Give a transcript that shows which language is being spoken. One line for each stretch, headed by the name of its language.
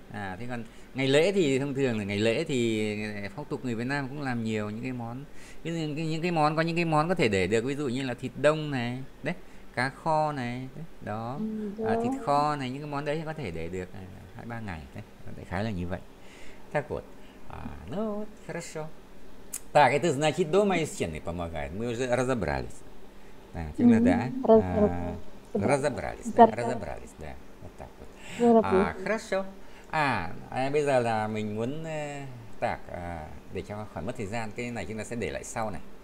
Vietnamese: À, thế còn ngày lễ thì thông thường là ngày lễ thì phong tục người Việt Nam cũng làm nhiều những cái món, những cái món, có những cái món có thể để được, ví dụ như là thịt đông này đấy, cá kho này đấy, đó. À, thịt Đó. kho này, những cái món đấy có thể để được 2 3 ngày đấy, đại khái là như vậy.
Russian: Так вот. А, ну, хорошо. Так, это значит, дома и стены помогают. Мы уже разобрались. Так, тем более, да. А, разобрались, да, разобрались, да. Вот так вот. А, хорошо.
Vietnamese: А, bây giờ là mình muốn так, để cho khỏi mất thời gian, cái này chúng ta sẽ để lại sau này.